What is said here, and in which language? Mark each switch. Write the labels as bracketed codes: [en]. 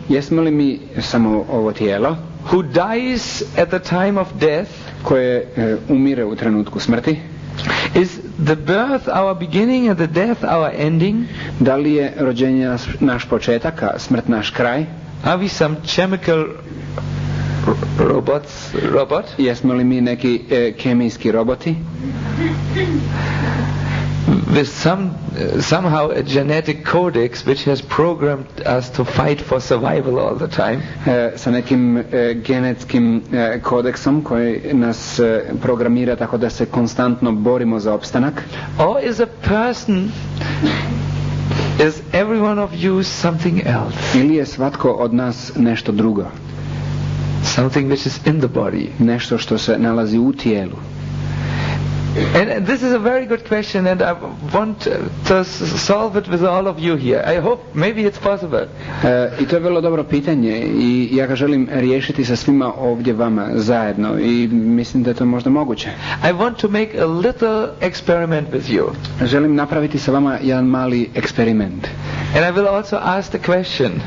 [hr] Jesmo li mi samo ovo tijelo? [en] Who dies at the time of death? [hr] Koje umire u trenutku smrti? [en] Is the birth our beginning and the death our ending? [hr] Da li je rođenje naš početak, a smrt naš kraj? [en] Are we some chemical robots? Robot? [hr] Jesmo li mi neki kemijski roboti? [en] With somehow a genetic codex which has programmed us to fight for survival all the time. [hr] Sa nekim genetskim kodeksom koji nas programira tako da se konstantno borimo za opstanak. [en] Or is a person, is every one of you something else? [hr] Ili je svatko od nas nešto drugo? [en] Something which is in the body. [hr] Nešto što se nalazi u tijelu. [en] And this is a very good question, and I want to solve it with all of you here. I hope maybe it's possible. [hr] I to je vrlo dobro pitanje i ja ga želim riješiti sa svima ovdje vama zajedno i mislim da je to možda moguće. [en] I want to make a little experiment with you. [hr] Želim napraviti sa vama jedan mali eksperiment. [en] And I will also ask the question.